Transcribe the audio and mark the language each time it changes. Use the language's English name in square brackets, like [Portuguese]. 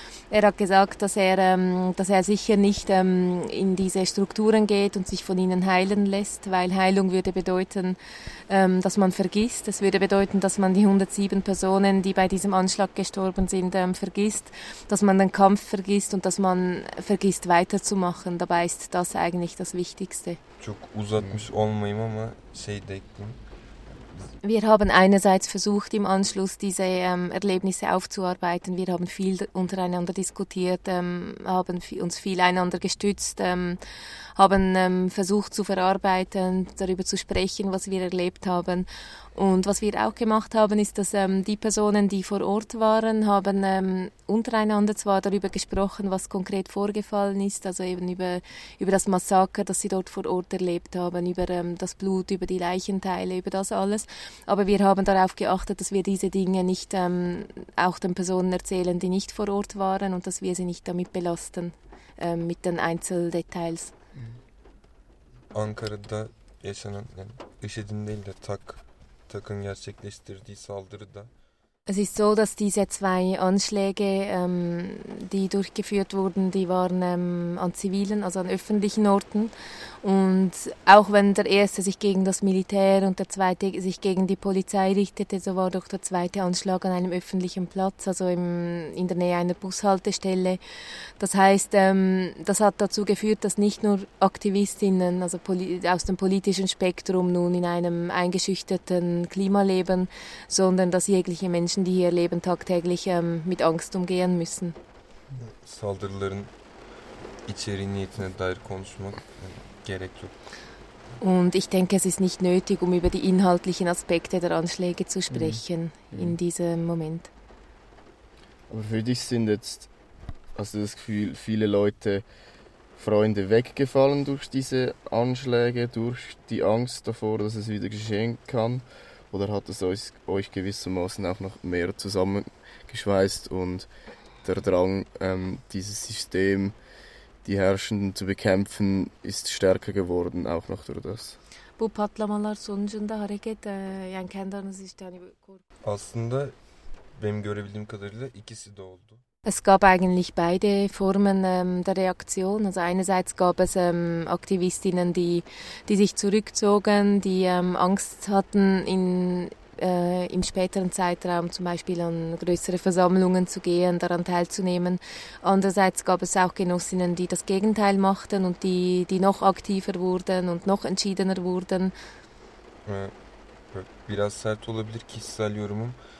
[German] Er hat gesagt, dass er sicher nicht in diese Strukturen geht und sich von ihnen heilen lässt, weil Heilung würde bedeuten, dass man vergisst. Es würde bedeuten, dass man die 107 Personen, die bei diesem Anschlag gestorben sind, vergisst, dass man den Kampf vergisst und dass man vergisst, weiterzumachen. Dabei ist das eigentlich das Wichtigste. [Turkish] Çok uzatmış olmayayım ama şey dedim. [German] Wir haben einerseits versucht, im Anschluss diese Erlebnisse aufzuarbeiten. Wir haben viel untereinander diskutiert, haben uns viel einander gestützt, haben versucht zu verarbeiten, darüber zu sprechen, was wir erlebt haben. Und was wir auch gemacht haben, ist, dass die Personen, die vor Ort waren, haben untereinander zwar darüber gesprochen, was konkret vorgefallen ist, also eben über das Massaker, das sie dort vor Ort erlebt haben, über das Blut, über die Leichenteile, über das alles. Aber wir haben darauf geachtet, dass wir diese Dinge nicht auch den Personen erzählen, die nicht vor Ort waren, und dass wir sie nicht damit belasten, mit den Einzeldetails. [Turkish] Ankara'da yaşanan, yani IŞİD'in değil de TAK'ın gerçekleştirdiği saldırıda. [German] Es ist so, dass diese zwei Anschläge, die durchgeführt wurden, die waren an zivilen, also an öffentlichen Orten. Und auch wenn der erste sich gegen das Militär und der zweite sich gegen die Polizei richtete, so war doch der zweite Anschlag an einem öffentlichen Platz, also in der Nähe einer Bushaltestelle. Das heißt, das hat dazu geführt, dass nicht nur Aktivistinnen, also aus dem politischen Spektrum nun in einem eingeschüchterten Klima leben, sondern dass jegliche Menschen, die hier leben, tagtäglich mit Angst umgehen müssen. [Turkish] Saldırıların içeriğine dair konuşmak gerekli. [German] Und ich denke, es ist nicht nötig, um über die inhaltlichen Aspekte der Anschläge zu sprechen in diesem Moment. Aber für dich sind jetzt, hast du das Gefühl, viele Leute, Freunde weggefallen durch diese Anschläge, durch die Angst davor, dass es wieder geschehen kann? Oder hat es euch gewissermaßen auch noch mehr zusammengeschweißt und der Drang, dieses System, die Herrschenden zu bekämpfen, ist stärker geworden, auch noch durch das? [Turkish] Bu patlamalar sonucunda hareket, yani kendiniz işte hani korku. Aslında benim görebildiğim kadarıyla ikisi de oldu. [German] Es gab eigentlich beide Formen der Reaktion. Also einerseits gab es Aktivistinnen, die sich zurückzogen, die Angst hatten, im späteren Zeitraum zum Beispiel an größere Versammlungen zu gehen, daran teilzunehmen. Andererseits gab es auch Genossinnen, die das Gegenteil machten und die noch aktiver wurden und noch entschiedener wurden. [Turkish] Biraz sert olabilir kişisel yorumum.